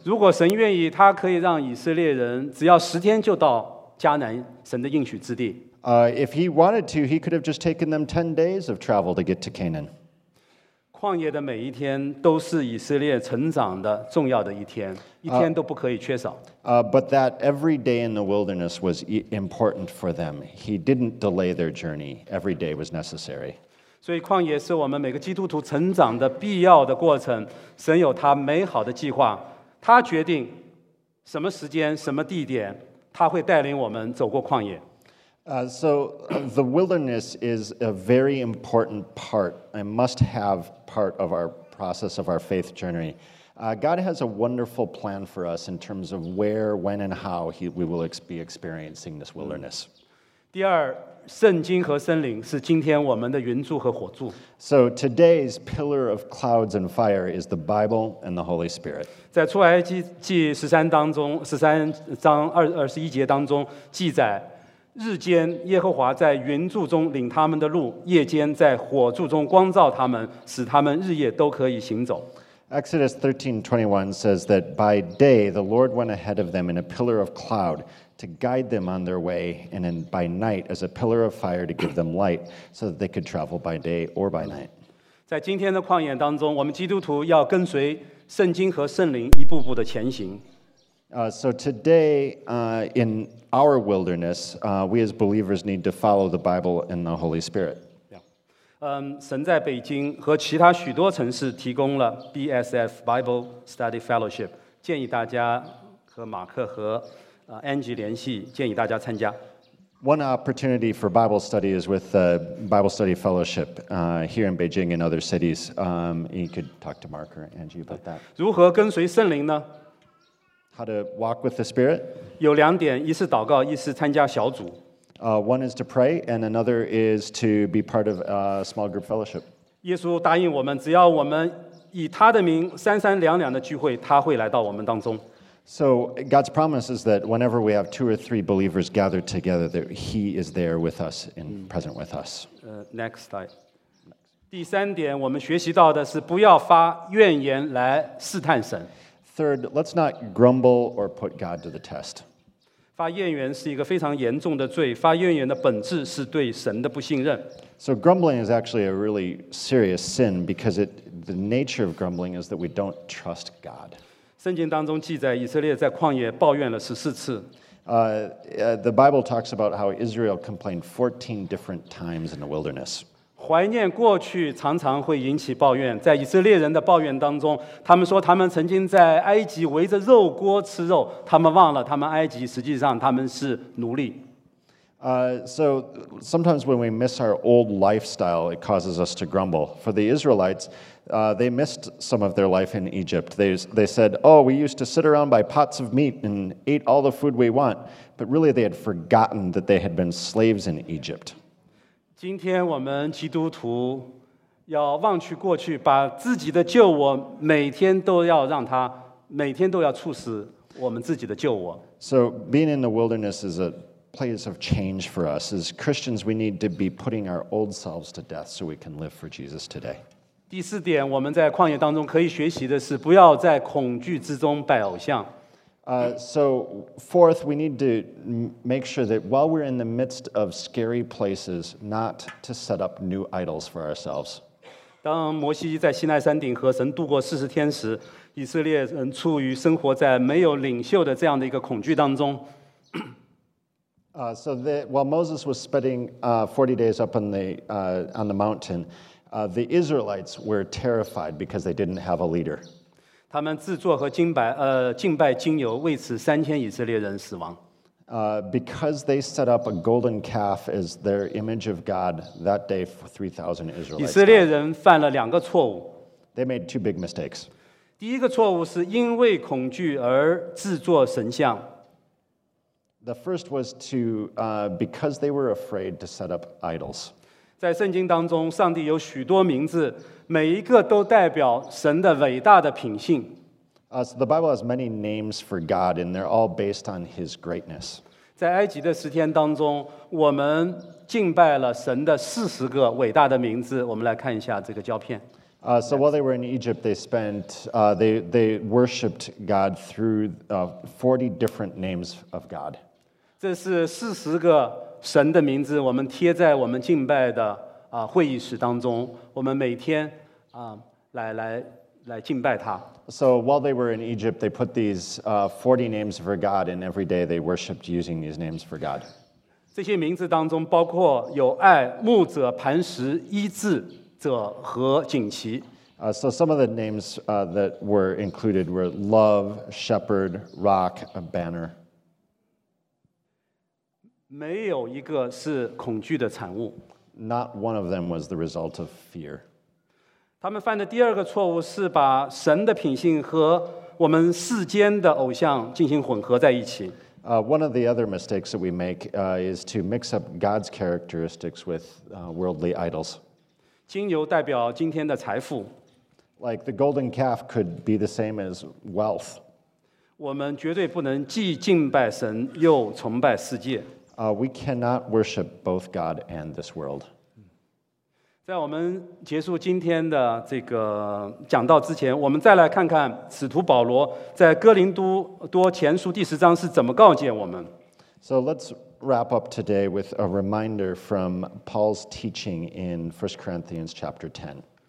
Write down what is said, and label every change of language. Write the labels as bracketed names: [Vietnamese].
[Chinese] 如果神愿意，他可以让以色列人只要十天就到迦南神的应许之地。 [English] If he wanted to, he could have just taken them 10 days of travel to get to Canaan. [Chinese] 旷野的每一天都是以色列成长的重要的一天，一天都不可以缺少。 [English] But that every day in the wilderness was important for them. He didn't delay their journey. Every day was necessary. [Chinese] 所以旷野是我们每个基督徒成长的必要的过程。神有他美好的计划，他决定什么时间、什么地点，他会带领我们走过旷野。 [English] So the wilderness is a very important part, a must-have part of our process of our faith journey. God has a wonderful plan for us in terms of where, when, and how we will be experiencing this wilderness. [Chinese] 第二，圣经和森林是今天我们的云柱和火柱。 [English] So today's pillar of clouds and fire is the Bible and the Holy Spirit. [Chinese] 在出埃及记十三当中，十三章二十一节当中记载，日间耶和华在云柱中领他们的路，夜间在火柱中光照他们，使他们日夜都可以行走。 [English] Exodus 13:21 says that by day the Lord went ahead of them in a pillar of cloud to guide them on their way, and then by night as a pillar of fire to give them light so that they could travel by day or by night. [Chinese] 在今天的旷野当中，我们基督徒要跟随圣经和圣灵一步步的前行。 [English] So today, in our wilderness, we as believers need to follow the Bible and the Holy Spirit. [Chinese] Yeah. 神在北京和其他许多城市提供了 BSF Bible Study Fellowship. 建议大家和马克和 Angie 联系，建议大家参加。 [English] One opportunity for Bible study is with the Bible Study Fellowship here in Beijing and other cities. You could talk to Mark or Angie about that. [Chinese] 如何跟随圣灵呢？ [English] How to walk with the Spirit? [Chinese] 有两点，一是祷告，一是参加小组。 [English] One is to pray, and another is to be part of a small group fellowship. [Chinese] 耶稣答应我们，只要我们以他的名三三两两的聚会，他会来到我们当中。 [English] So God's promise is that whenever we have two or three believers gathered together, that He is there with us and present with us. Next slide. [Chinese] 第三点，我们学习到的是不要发怨言来试探神。 [English] Third, let's not grumble or put God to the test. [Chinese] 发怨言是一个非常严重的罪，发怨言的本质是对神的不信任。 [English] So grumbling is actually a really serious sin because the nature of grumbling is that we don't trust God. [Chinese] 圣经当中记载以色列在旷野抱怨了十四次。 [English] The Bible talks about how Israel complained 14 different times in the wilderness. [Chinese] 怀念过去常常会引起抱怨，在以色列人的抱怨当中，他们说他们曾经在埃及围着肉锅吃肉，他们忘了他们埃及实际上他们是奴隶。 [English] So sometimes when we miss our old lifestyle, it causes us to grumble. For the Israelites, they missed some of their life in Egypt. They said, oh, we used to sit around by pots of meat and ate all the food we want. But really, they had forgotten that they had been slaves in Egypt. [Chinese] 今天我们基督徒要忘去过去，把自己的旧我每天都要让他，每天都要促使我们自己的旧我。 [English] So being in the wilderness is a place of change for us. As Christians, we need to be putting our old selves to death so we can live for Jesus today. [Chinese] 第四点，我们在旷野当中可以学习的是不要在恐惧之中拜偶像。 [English] So fourth, we need to make sure that while we're in the midst of scary places, not to set up new idols for ourselves. [Chinese] 当摩西在西奈山顶和神度过四十天时，以色列人处于生活在没有领袖的这样的一个恐惧当中。 [English] So that while Moses was spending 40 days up on the mountain, the Israelites were terrified because they didn't have a leader. [Chinese] 他们制作和敬拜敬拜金牛，为此3000以色列人死亡。 [English] Because they set up a golden calf as their image of God that day for 3,000 Israelites. [Chinese] 以色列人犯了两个错误。 [English] They made two big mistakes. [Chinese] 第一个错误是因为恐惧而制作神像。 [English] The first was to, because they were afraid to set up idols. [Chinese] 在圣经当中，上帝有许多名字，每一个都代表神的伟大的品性。 [English] So the Bible has many names for God, and they're all based on his greatness. [Chinese] 在埃及的十天当中，我们敬拜了神的40个伟大的名字。我们来看一下这个胶片。 [English] So while they were in Egypt, they spent, they worshipped God through 40 different names of God. [Chinese] 这是四十个神的名字，我们贴在我们敬拜的会议室当中，我们每天来敬拜他。 [English] So while they were in Egypt, they put these 40 names for God, and every day they worshipped using these names for God. [Chinese] 这些名字当中包括有爱、牧者、磐石、医治。 [English] So some of the names that were included were Love, Shepherd, Rock, a Banner. [Chinese] 没有一个是恐惧的产物。 [English] Not one of them was the result of fear. [Chinese] 他们犯的第二个错误是把神的品性和我们世间的偶像进行混合在一起。 [English] One of the other mistakes that we make is to mix up God's characteristics with worldly idols. [Chinese] 金牛代表今天的财富。 [English] Like the golden calf could be the same as wealth. [Chinese] 我们绝对不能既敬拜神又崇拜世界。 [English] We cannot worship both God and this world. [Chinese] 在我们结束今天的这个讲道之前，我们再来看看使徒保罗在哥林多前书第十章是怎么告诫我们。 [English] So let's wrap up today with a reminder from Paul's teaching in 1 Corinthians chapter 10.